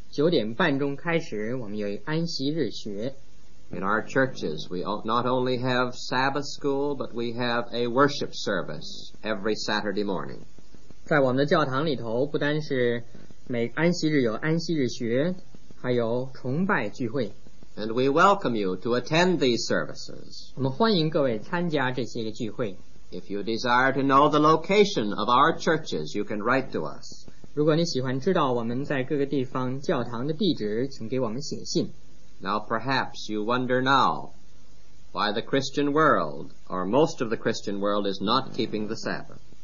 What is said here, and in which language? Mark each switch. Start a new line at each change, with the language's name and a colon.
Chinese: 每一个安息日的早晨在9点半钟开始, 我们有安息日学。
English: In our churches, we not only have Sabbath school, but we have a worship service every Saturday morning.
Chinese: 在我们的教堂里头，不单是每安息日有安息日学，还有崇拜聚会。
English: And we welcome you to attend these services.
Chinese: 我们欢迎各位参加这些聚会。
English: If you desire to know the location of our churches, you can write to us.
Chinese: 如果你喜欢知道我们在各个地方教堂的地址，请给我们写信。
English: Now perhaps you wonder now why the Christian world, or most of the Christian world, is not keeping the Sabbath.